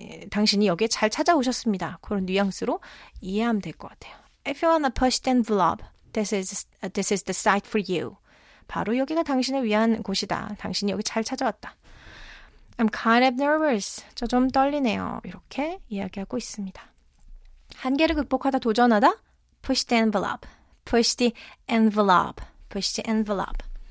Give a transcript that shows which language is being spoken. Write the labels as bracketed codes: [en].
[ko] 당신이 여기에 잘 찾아오셨습니다. 그런 뉘앙스로 이해하면 될 것 같아요. [en] If you want to push the envelope, this is the site for you. [ko] 바로 여기가 당신을 위한 곳이다. 당신이 여기 잘 찾아왔다. [en] I'm kind of nervous. [ko] 저 좀 떨리네요. 이렇게 이야기하고 있습니다. 한계를 극복하다, 도전하다. [en] Push the envelope. Push the envelope. Push the envelope.